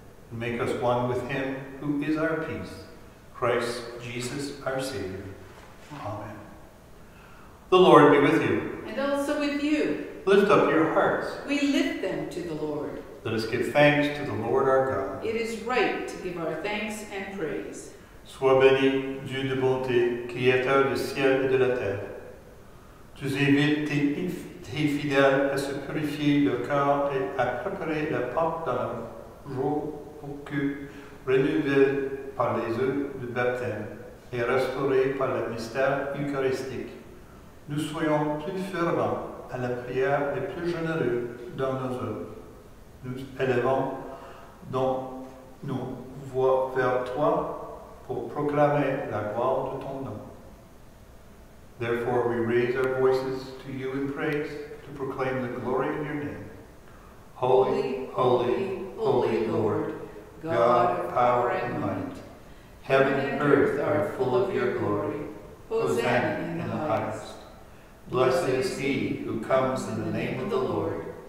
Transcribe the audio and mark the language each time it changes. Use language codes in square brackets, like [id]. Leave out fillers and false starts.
[en] and make us one with him who is our peace, Christ Jesus our Savior. Amen. The Lord be with you. And also with you. Lift up your hearts. We lift them to the Lord. Let us give thanks to the Lord our God. It is right to give our thanks and praise. [fr] Sois béni, Dieu de bonté, créateur du ciel et de la terre. Tu invites tes fidèles à se purifier leur cœur et à préparer la porte d'un jour pour que, renouvelé par les œufs du baptême et restauré par le mystère eucharistique, nous soyons plus fervents à la prière et plus généreux dans nos œuvres. Nous élevons donc nos voix vers toi pour proclamer la gloire de ton nom. [en] Therefore, we raise our voices to you in praise to proclaim the glory of your name. Holy, holy, holy, holy Lord, God of power and might, heaven and earth are full of your glory. Hosanna in the highest. Blessed is he who comes in the name of the Lord.